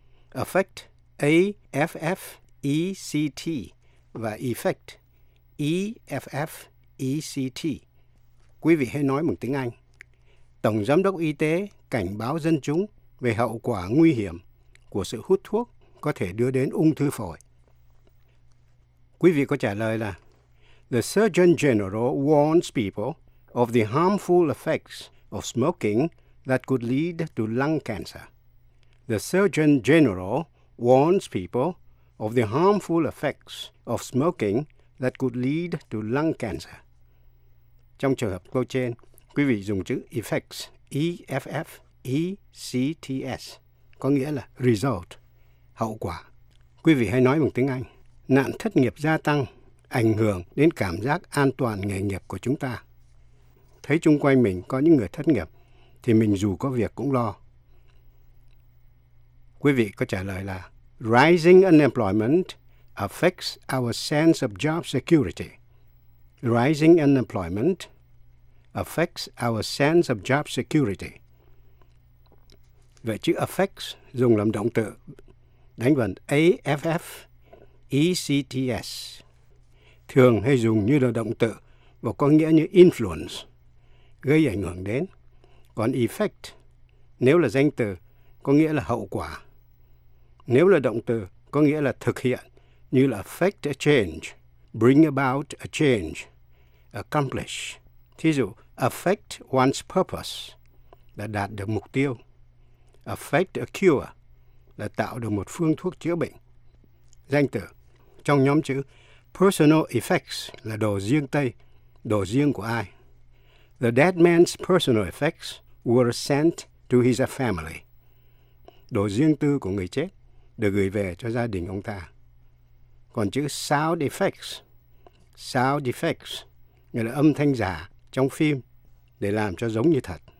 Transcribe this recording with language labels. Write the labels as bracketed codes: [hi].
[en] Affect, A-F-F-E-C-T, và effect, E-F-F-E-C-T. [vi] Quý vị hãy nói bằng tiếng Anh. Tổng Giám đốc Y tế cảnh báo dân chúng về hậu quả nguy hiểm của sự hút thuốc có thể đưa đến ung thư phổi. Quý vị có trả lời là [en] The Surgeon General warns people of the harmful effects of smoking that could lead to lung cancer. The Surgeon General warns people of the harmful effects of smoking that could lead to lung cancer. [vi] Trong trường hợp câu trên, quý vị dùng chữ effects, E-F-F-E-C-T-S, có nghĩa là result, hậu quả. Quý vị hãy nói bằng tiếng Anh. Nạn thất nghiệp gia tăng ảnh hưởng đến cảm giác an toàn nghề nghiệp của chúng ta. Thấy chung quanh mình có những người thất nghiệp, thì mình dù có việc cũng lo. Quý vị có trả lời là [en] Rising unemployment affects our sense of job security. Rising unemployment affects our sense of job security. [vi] Vậy chữ affects dùng làm động từ đánh vần A-F-F-E-C-T-S thường hay dùng như là động từ và có nghĩa như influence, gây ảnh hưởng đến, Còn effect, nếu là danh từ, có nghĩa là hậu quả. Nếu là động từ, có nghĩa là thực hiện, như là [en] effect a change, bring about a change, accomplish. [vi] Thí dụ, [en] affect one's purpose, [vi] là đạt được mục tiêu. [en] Affect a cure, [vi] là tạo được một phương thuốc chữa bệnh. Danh từ, trong nhóm chữ, personal effects là đồ riêng tây, đồ riêng của ai. [en] The dead man's personal effects were sent to his family. [vi] Đồ riêng tư của người chết được gửi về cho gia đình ông ta. Còn chữ sound effects nghĩa là âm thanh giả trong phim để làm cho giống như thật.